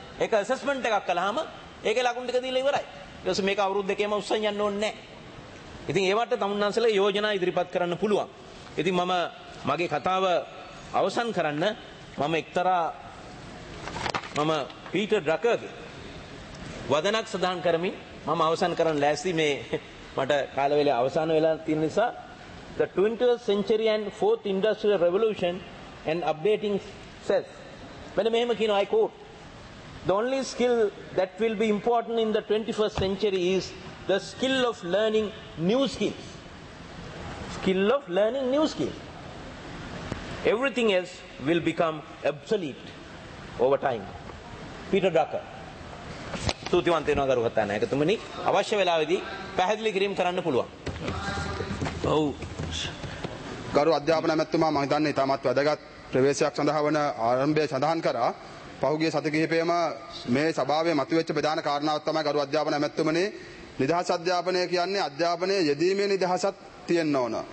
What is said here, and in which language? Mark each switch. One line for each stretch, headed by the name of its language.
Sinhala: ඒක ඇසස්මන්ට් එකක් කළාම ඒකේ ලකුණු ටික දීලා ඉවරයි. ඊට පස්සේ මේක අවුරුදු දෙකේම උස්සන් යන්න ඕනේ නැහැ. ඉතින් ඒ වටේ තමුන්නාන්සලා යෝජනා ඉදිරිපත් කරන්න පුළුවන්. ඉතින් මම මගේ කතාව අවසන් කරන්න මම එක්තරා පීටර් ඩ්‍රකර්ගේ වදනක් සදාන් කරමින් මම අවසන් කරන්න ලෑස්ති. මේ මට කාල වේලාව අවසන් වෙලා තියෙන නිසා
English: The 20th Century and Fourth Industrial Revolution and Updating says
Sinhala: මෙන්න මෙහෙම කියන
English: I quote The only skill that will be important in the 21st century is the skill of learning new skills. Skill of learning new skills. Everything else will become obsolete over time.
Sinhala: Peter Drucker. ස්තුතිවන්තයෙනවා ගරුකතා නායකතුමනි. අවශ්‍ය වෙලාවේදී පැහැදිලි කිරීම කරන්න පුළුවන්. ඔව්. ගරු අධ්‍යාපන ඇමැතිතුමා මම හිතන්නේ ඉතාමත් වැදගත් ප්‍රවේශයක් සඳහා වන ආරම්භය සඳහන් කරා. පහුගිය සති කිහිපෙම මේ සභාවේ මතුවෙච්ච ප්‍රධාන කාරණාවක් තමයි ගරු අධ්‍යාපන ඇමැතිතුමනි නිදහස් අධ්‍යාපනය කියන්නේ අධ්‍යාපනයේ යෙදීමේ නිදහසක් තියෙන්න ඕන.